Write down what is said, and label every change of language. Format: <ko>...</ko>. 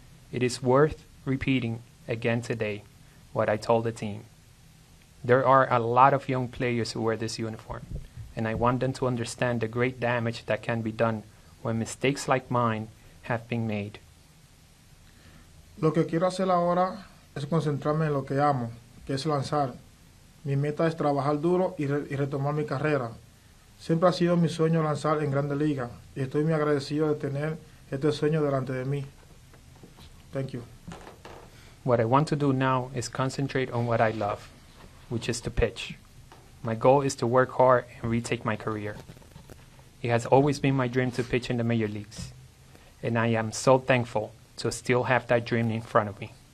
<en>It is worth repeating again today what I told the team. There are a lot of young players who wear this uniform, and I want them to understand the great damage that can be done when mistakes like mine have been made.</en> <es>Lo que quiero hacer ahora es concentrarme en lo que amo, que es lanzar. Mi meta es trabajar duro y retomar mi carrera. Siempre ha sido mi sueño lanzar en Grandes Ligas y estoy muy agradecido de tener este sueño delante de mí.</es> <en>Thank you. What I want to do now is concentrate on what I love, which is to pitch. My goal is to work hard and retake my career. It has always been my dream to pitch in the major leagues, and I am so thankful to still have that dream in front of me.</en>